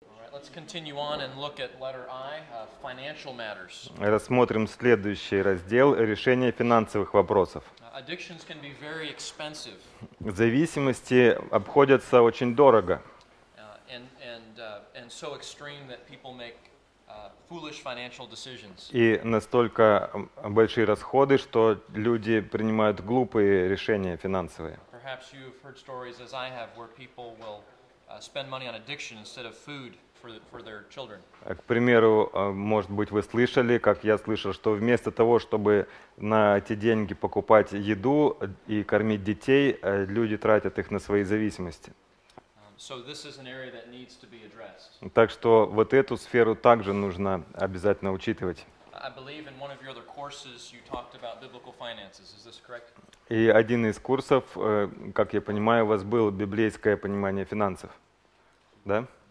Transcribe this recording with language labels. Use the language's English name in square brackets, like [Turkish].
[English] Let's continue on and look at letter I, financial matters. [Russian] Рассмотрим следующий раздел решения финансовых вопросов. [English] Addictions can be very expensive. [Russian] Зависимости обходятся очень дорого. [English] And so extreme that people make foolish financial decisions. [Russian] И настолько большие расходы, что люди принимают глупые решения финансовые. [English] Perhaps you've heard stories as I have where people will spend money on addiction instead of food. For their children. [Russian] К примеру, может быть, вы слышали, как я слышал, что вместо того, чтобы на эти деньги покупать еду и кормить детей, люди тратят их на свои зависимости. [English] So this is an area that needs to be addressed. [Russian] Так что вот эту сферу также нужно обязательно учитывать. [English] I believe in one of your other courses you talked about biblical finances. Is this correct? [Russian] И один из курсов, как я понимаю, у вас было библейское понимание финансов. Да?